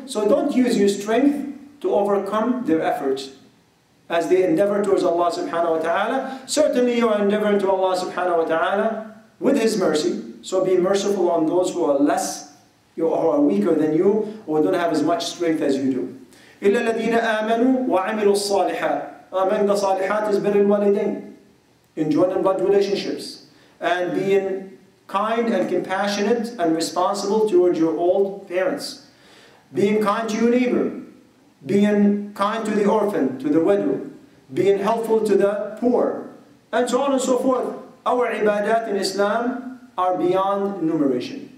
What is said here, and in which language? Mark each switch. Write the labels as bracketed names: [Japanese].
[English] So don't use your strength to overcome their efforts as they endeavor towards Allah subhanahu wa ta'ala. Certainly you are endeavoring to Allah subhanahu wa ta'ala with His mercy. So be merciful on those who are less, who are weaker than you, or don't have as much strength as you do. [Arabic] إِلَّا الَّذِينَ آمَنُوا وَعَمِلُوا الصَّالِحَاتِ. [English] Among the [Arabic] صَالِحَاتِ [English] is [Arabic] بِرِّ الْوَالِدَيْنِ. [English] Enjoying blood relationships. and being kind and compassionate and responsible towards your old parents. Being kind to your neighbor. Being kind to the orphan, to the widow. Being helpful to the poor. And so on and so forth. Our ibadat in Islam are beyond enumeration.